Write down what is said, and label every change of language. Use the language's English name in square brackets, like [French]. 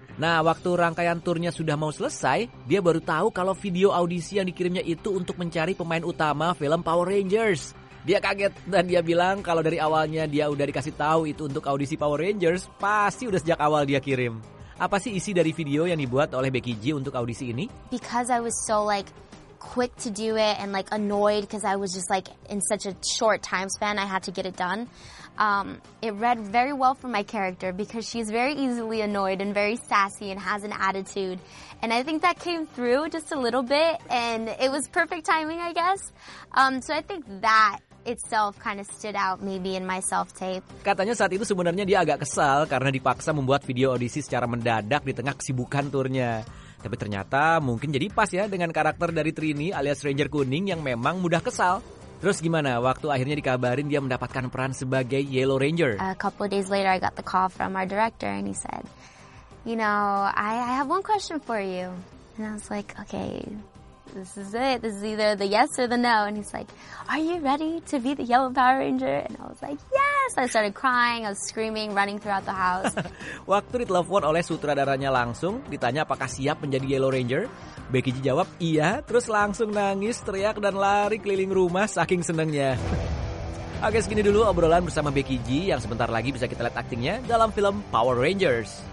[Indonesian] Nah, waktu rangkaian turnya sudah mau selesai, dia baru tahu kalau video audisi yang dikirimnya itu untuk mencari pemain utama film Power Rangers. Dia kaget dan dia bilang kalau dari awalnya dia udah dikasih tahu itu untuk audisi Power Rangers, pasti udah sejak awal dia kirim. Apa sih isi dari video yang dibuat oleh Becky G untuk audisi ini? [English] Because I was so like quick to do it and like annoyed because I was just like in such a short time span I had to get it done. It read very well for my character because she's very easily annoyed and very sassy and has an attitude. And I think that came through just a little bit and it was perfect timing, I guess. So I think that itself kind of stood out maybe in my self-tape. [Indonesian] Katanya saat itu sebenarnya dia agak kesal karena dipaksa membuat video audisi secara mendadak di tengah kesibukan turnya. Tapi ternyata mungkin jadi pas ya dengan karakter dari Trini alias Ranger Kuning yang memang mudah kesal. Terus gimana waktu akhirnya dikabarin dia mendapatkan peran sebagai Yellow Ranger? [English] A couple of days later I got the call from our director and he said, you know, I have one question for you. And I was like, okay, this is it. This is either the yes or the no. And he's like, are you ready to be the Yellow Power Ranger? And I was like, yes. I started crying. I was screaming, running throughout the house. [Indonesian] Waktu ditelepon oleh sutradaranya langsung, ditanya apakah siap menjadi Yellow Ranger, Becky G jawab iya, terus langsung nangis, teriak, dan lari keliling rumah saking senengnya. Oke, segini dulu obrolan bersama Becky G yang sebentar lagi bisa kita lihat aktingnya dalam film Power Rangers.